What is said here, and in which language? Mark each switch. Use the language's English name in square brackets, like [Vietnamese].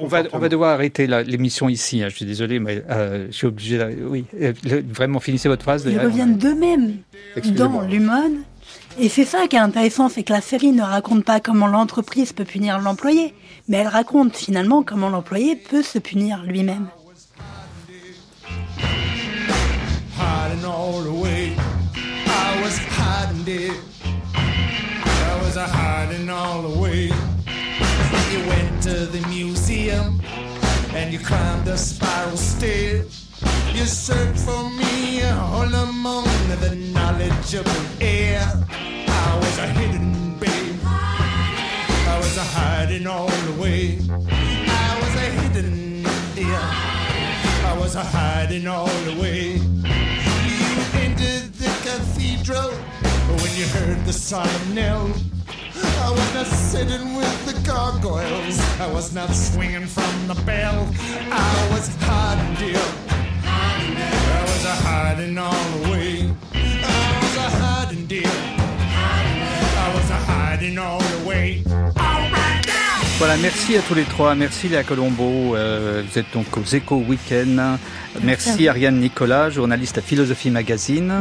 [French] on va devoir arrêter l'émission ici. Je suis désolé, mais je suis obligé. Vraiment, finissez votre phrase. Ils reviennent d'eux-mêmes dans l'humain. Et c'est ça qui est intéressant, c'est que la série ne raconte pas comment l'entreprise peut punir l'employé, mais elle raconte finalement comment l'employé peut se punir lui-même. [English] Hiding all the way, I was hiding it. I was hiding all the way. You went to the museum and you climbed the spiral stairs. You searched for me all among the knowledgeable air. I was a hidden babe. I was a hiding all the way. I was a hidden dear. I was a hiding all the way. You entered the cathedral when you heard the solemn knell. I was not sitting with the gargoyles. I was not swinging from the bell. I was hiding, dear. I was a hiding all the way. I was a hiding, dear. I was a hiding all the way. [French] Voilà, merci à tous les trois. Merci Léa Colombo. Vous êtes donc aux Echo Weekend. Merci Ariane Nicolas, journaliste à Philosophie Magazine.